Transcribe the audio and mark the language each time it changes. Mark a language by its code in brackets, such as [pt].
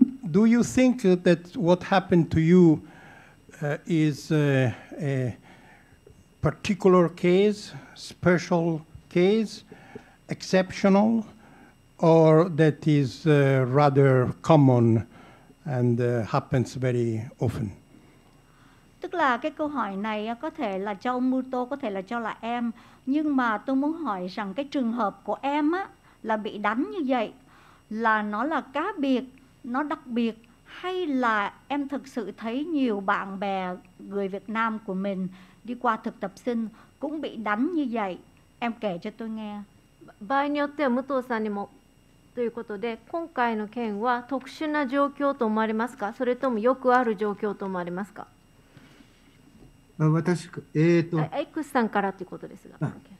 [en] Do you think that what happened to you is a particular case, special case, exceptional, or that is rather common and happens very often? [vi] Tức là cái câu hỏi này có thể là cho ông Muto, có thể là cho là em. Nhưng mà tôi muốn hỏi rằng cái trường hợp của em á, là bị đánh như vậy, là nó là cá biệt, nó đặc biệt, hay là em thực sự thấy nhiều bạn bè người Việt Nam của mình đi qua thực tập sinh cũng bị đánh như vậy, em kể cho tôi nghe. Bao nhiêu tiền Muto-san thì một [ja] ということで、今回の件は特殊な状況と思われますか、それともよくある状況と思われますか。私、エックスさんからということですが。